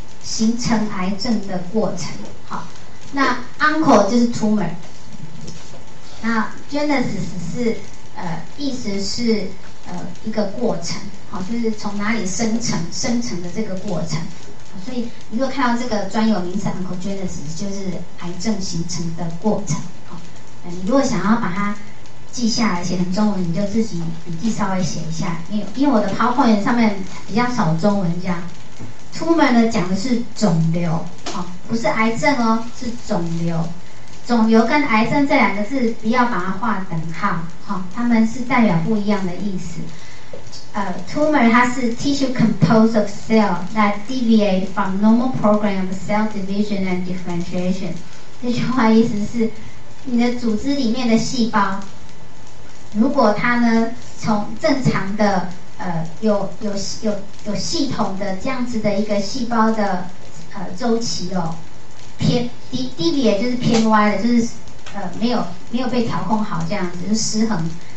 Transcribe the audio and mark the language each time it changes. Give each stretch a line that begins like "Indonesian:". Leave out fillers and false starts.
Chinese: 形成癌症的过程，好，那 uncle 就是 tumor， 那 genesis 是意思是一个过程，好，就是从哪里生成的这个过程，所以你如果看到这个专有名词 uncle genesis， 就是癌症形成的过程，好，你如果想要把它记下来写成中文，你就自己笔记稍微写一下，因为我的 PowerPoint 上面比较少中文这样。 Tumor 呢讲的是肿瘤，哦，不是癌症哦，是肿瘤。肿瘤跟癌症这两个字不要把它画等号，哦，它们是代表不一样的意思。
English: Tumor
Chinese: 它是
English: tissue composed of cell that deviate from normal program of cell division and differentiation。
Chinese: 这句话意思是你的组织里面的细胞如果它呢从正常的有系统的这样子的一个细胞的周期哦，deviate 就是偏歪的，就是没有被调控好这样子，就是失衡。